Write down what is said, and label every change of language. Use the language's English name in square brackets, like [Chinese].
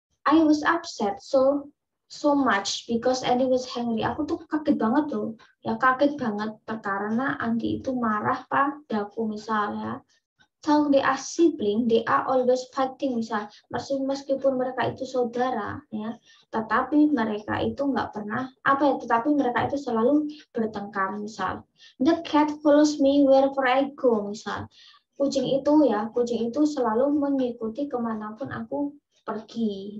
[English] I was upset so much because Andy was hungry. [Indonesian] Aku tuh kaget banget tuh. Ya, kaget banget karena Andy itu marah padaku misalnya. [English] So they are sibling, they are always fighting, misalnya. [Indonesian] Meskipun mereka itu saudara ya, tetapi mereka itu enggak pernah apa ya, tetapi mereka itu selalu bertengkar, misal. [English] The cat follows me wherever I go, misal. [Indonesian] Kucing itu selalu mengikuti kemanapun aku pergi.